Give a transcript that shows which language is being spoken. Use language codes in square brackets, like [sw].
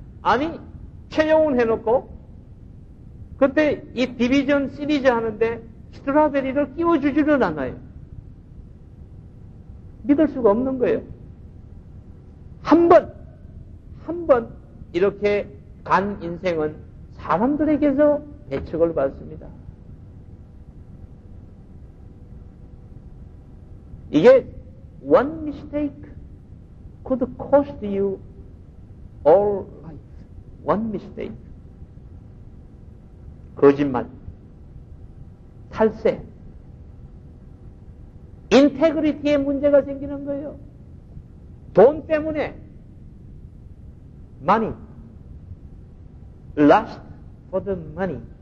[ko] 아니 채용은 해놓고 그때 이 디비전 시리즈 하는데 스트라베리를 끼워주지를 않아요. 믿을 수가 없는 거예요. 한 번 이렇게 간 인생은 사람들에게서 배척을 받습니다. 이게 [en] one mistake could cost you all life. One mistake. [ko] 거짓말, 탈세, 인테그리티에 문제가 생기는 거예요. 돈 때문에, [en] money, lust for the money.